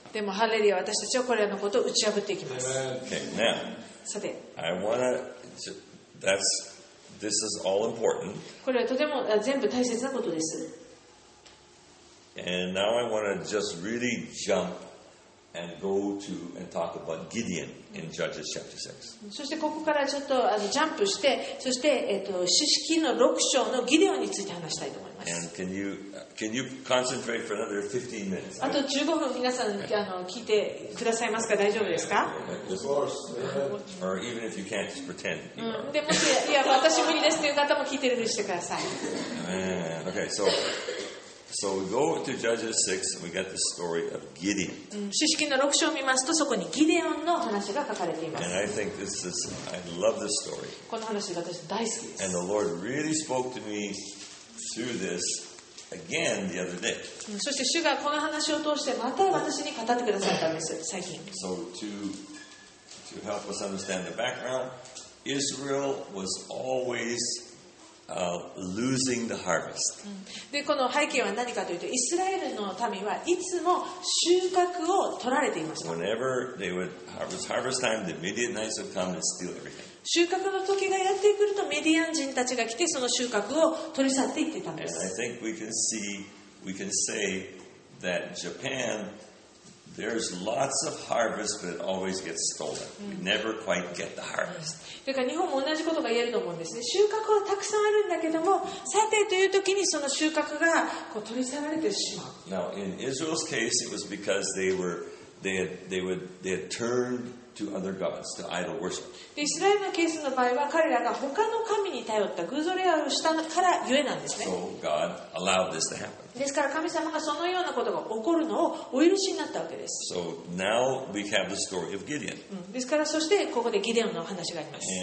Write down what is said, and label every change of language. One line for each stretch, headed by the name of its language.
Japanese: でもハレルヤ、私たちはこれらのことを打ち破っていきます。
English: Okay, now,
Japanese: さて、
English: I wanna, that's. This is all important.
Japanese: これはとても全部大切なことです。
English: And now I want to just really jump and go to and talk about Gideon in Judges chapter 6.
Japanese: そしてここからちょっとジャンプして、そして士師記の6章のギデオンについて話したいと思います。
English: And can you concentrate for another 15 minutes?
Japanese: あと15分皆さん聞いてくださいますか？大丈夫ですか？
English: Of course. Or even if you can't, just pretend.
Japanese: でもしいや私無理ですという方も聞いてるようにしてください。
English: Okay, so. So we go to Judges 6 and we get the story of Gideon.
Japanese: 士師記の6章を見ますとそこにギデオンの話が書かれています。
English: And I think this is, I love this story.
Japanese: この話が私大好きです。
English: And the Lord really spoke to me through this again the other day.
Japanese: そして主がこの話を通してまた私に語ってくださったんです、最近。
English: So to help us understand the background, Israel was alwaysLosing the harvest.
Japanese: で、この背景は何かというと、イスラエルの民はいつも収穫を取られていました。
English: Whenever they would harvest time, the Midianites would come and steal everything.
Japanese: 収穫の時がやってくると、メディアン人たちが来てその収穫を取り去っていってたんです。
English: And I think we can see, we can say that Japan. There's lots of harvest, but it always gets stolen. We never quite get the harvest.
Japanese: だから日本も同じことが言えると思うんですね。収穫はたくさんあるんだけども、さてという時にその収穫がこう取り去られてしまう。
English: Now, in Israel's case, it was because they had turned to other gods, to idol worship.
Japanese: で、イスラエルのケースの場合は彼らが他の神に頼った偶像礼拝をしたからゆえなんですね。
English: So God allowed this to happen.
Japanese: ですから神様がそのようなことが起こるのをお許しになったわけです。
English: So now we have the story of Gideon.
Japanese: ですからそしてここでギデオンの話があります。